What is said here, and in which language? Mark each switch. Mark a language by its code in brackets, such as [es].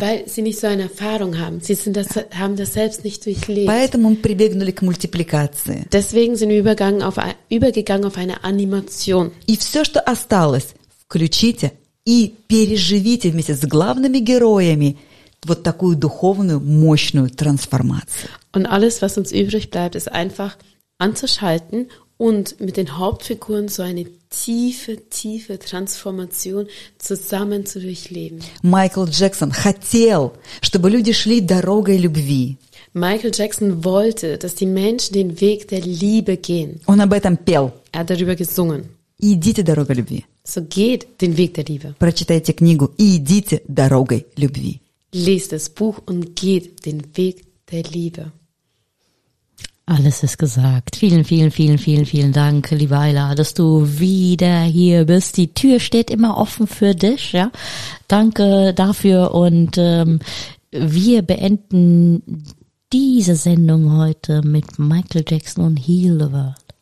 [de] Weil sie nicht so eine Erfahrung haben. Sie sind das, haben das selbst nicht durchlebt. [ru] Поэтому мы прибегнули к мультипликации. [de] Deswegen sind wir übergegangen auf eine Animation. [ru] И все, что осталось, включите и переживите вместе с главными героями вот такую духовную, мощную трансформацию. [de] Und alles, was uns übrig bleibt, ist einfach anzuschalten und mit den Hauptfiguren so eine tiefe, tiefe Transformation zusammen zu durchleben. [ru] Michael Jackson хотел, чтобы люди шли дорогой любви. [de] Michael Jackson wollte, dass die Menschen den Weg der Liebe gehen. [ru] Он об этом пел. [de] Er hat darüber gesungen. [ru] Идите дорогой любви. [de] So geht den Weg der Liebe. [ru] Прочитайте книгу и идите дорогой любви. [de] Lest das Buch und geht den Weg der Liebe. Alles ist gesagt. Vielen, vielen, vielen, vielen, vielen Dank, liebe Ayla, dass du wieder hier bist. Die Tür steht immer offen für dich, ja. Danke dafür und wir beenden diese Sendung heute mit Michael Jackson und Heal the World.